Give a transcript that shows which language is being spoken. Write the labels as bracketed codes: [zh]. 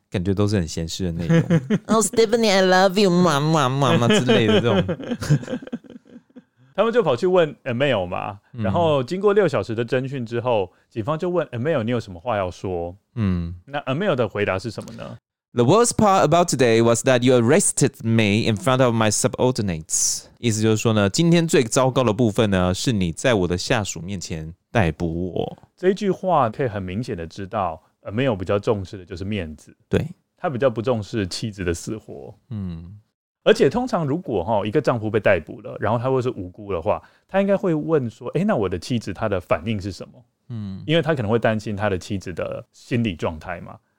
[zh] 感觉都是很闲适的内容。Stephanie [en] I love you [zh] 妈妈妈妈之类的这种。他们就跑去问 Amel 嘛，然后经过6小时的侦讯之后，警方就问 Amel 你有什么话要说。那 Amel 的回答是什么呢？ [en] The worst part about today was that you arrested me in front of my subordinates. [zh] 意思就是说呢，今天最糟糕的部分呢，是你在我的下属面前逮捕我。这一句话可以很明显的知道 Amel 比较重视的就是面子，对，他比较不重视妻子的死活。而且通常如果一个丈夫被逮捕了，然后他会是无辜的话，他应该会问说，欸，那我的妻子他的反应是什么，因为他可能会担心他的妻子的心理状态嘛。